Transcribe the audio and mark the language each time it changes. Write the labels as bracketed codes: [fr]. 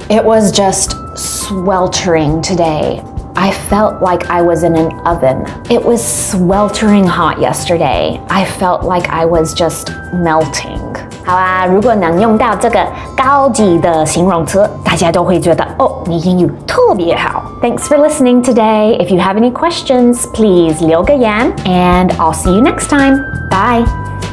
[en] It was just sweltering today. I felt like I was in an oven. It was sweltering hot yesterday. I felt like I was just melting. [zh] 好啊，如果能用到这个高级的形容词，大家都会觉得哦，你英语特别好。 [en] Thanks for listening today. If you have any questions, please [zh] 留个言 [en] and I'll see you next time. Bye.